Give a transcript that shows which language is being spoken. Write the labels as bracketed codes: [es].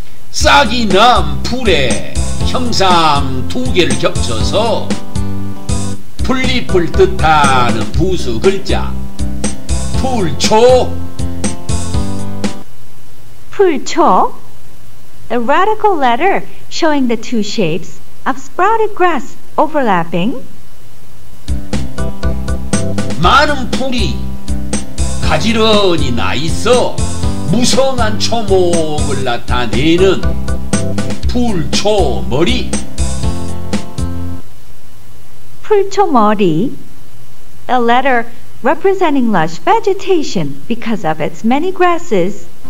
[ko] 싹이 난 풀에 형상 두 개를 겹쳐서 풀잎을 뜻하는 부수 글자 풀초. 풀초? [en] A radical letter showing the two shapes of sprouted grass overlapping. [ko] 많은 풀이 가지런히 나있어 무성한 초목을 나타내는 풀초머리. [en] 풀초머리, a letter representing lush vegetation because of its many grasses.